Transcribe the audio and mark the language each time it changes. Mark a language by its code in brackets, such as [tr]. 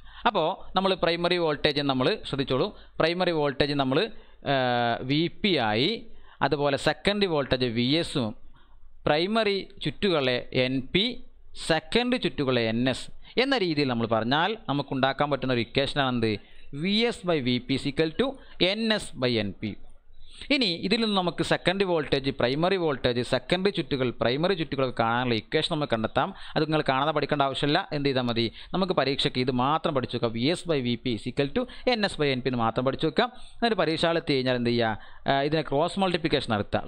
[ml] അപ്പോൾ നമ്മൾ primary voltage നമ്മൾ ശ്രദ്ധിച്ചോളൂ, പ്രൈമറി വോൾട്ടേജ് നമ്മൾ വി പി ആയി, അതുപോലെ സെക്കൻഡറി വോൾട്ടേജ് വി എസും, primary ചുറ്റുകളെ N P, secondary ചുറ്റുകളെ N S എന്ന രീതിയിൽ നമ്മൾ പറഞ്ഞാൽ നമുക്കുണ്ടാക്കാൻ പറ്റുന്ന ഒരു ഇക്വേഷനാണെന്ത്, [en] VS by VP is equal to NS by NP. [ml] ഇനി ഇതിൽ നിന്ന് നമുക്ക് secondary voltage primary voltage secondary ചുറ്റുകൾ primary ചുറ്റുകൾ കാണാനുള്ള ഇക്വേഷൻ നമുക്ക് കണ്ടെത്താം. അത് നിങ്ങൾ കാണാതെ പഠിക്കേണ്ട ആവശ്യമില്ല. എന്ത് ചെയ്താൽ മതി, നമുക്ക് പരീക്ഷയ്ക്ക് ഇത് മാത്രം പഠിച്ചു വെക്കാം. [en] V S by V P is equal to N S by N P [ml] എന്ന് മാത്രം പഠിച്ചു വെക്കാം. എന്നൊരു പരീക്ഷ എത്തി കഴിഞ്ഞാൽ എന്ത് ചെയ്യുക, ഇതിനെ ക്രോസ് മൾട്ടിപ്ലിക്കേഷൻ നടത്തുക.